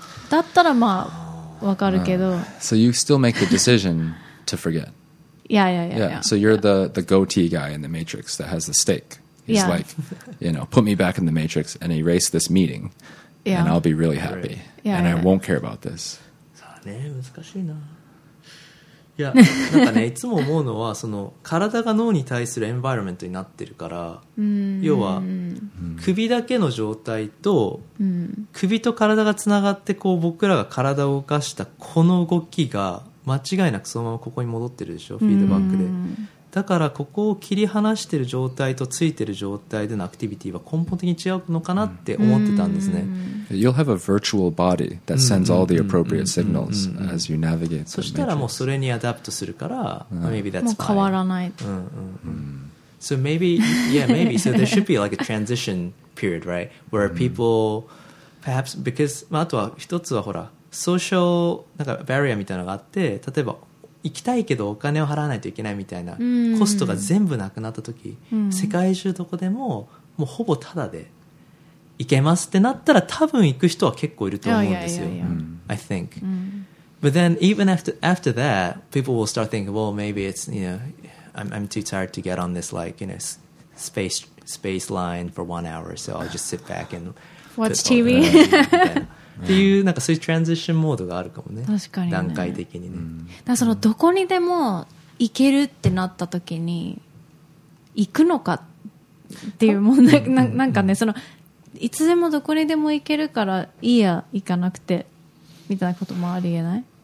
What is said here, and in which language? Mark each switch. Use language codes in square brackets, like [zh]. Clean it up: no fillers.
[ja] だったらまあ、わかるけど。 [en] So you still make the decision to forget. Yeah. So you're the goatee guy in the Matrix that has the stake. He's like, you know, put me back in the Matrix and erase this meeting. Yeah. And I'll be really happy. Yeah, and yeah. I won't care about this. [ja] そうね、難しいな。いや、なんかね、いつも思うのは、その、体が脳に対するエンバイロメントになってるから、要は、首だけの状態と、首と体がつながって、こう、僕らが体を動かしたこの動きが、間違いなくそのままここに戻ってるでしょ、フィードバックで。だから、ここを切り離してる状態とついてる状態でのアクティビティは根本的に違うのかなって思ってたんですね。 [en] You'll have a virtual body that sends all the appropriate signals as you navigate. [ja] そしたらもうそれにアダプトするから、 [en] maybe that's fine. [ja] もう変わらない。 [en] So maybe, So there should be like a transition period, right? Where people, perhaps, because, [ja] まあ、あとは一つはほら、social, なんかバリアみたいなのがあって、例えば、行きたいけどお金を払わないといけないみたいなコストが全部なくなった時、うんうん、世界中どこでももうほぼタダで行けますってなったら多分行く人は結構いると思うんですよ。 [en] I think、 [ja] うん、 [en] But then even after that people will start thinking, well maybe it's, you know, I'm too tired to get on this like, you know, space line for 1 hour, so I'll just sit back and watch TV [ja] っていう、なんかそういうトランジションモードがあるかもね。確かにね、段階的にね、うん、だからそのどこにでも行けるってなった時に行くのかっていう問題、なんかね、そのいつでもどこにでも行けるからいいや行かなくてみたいなこともありえない、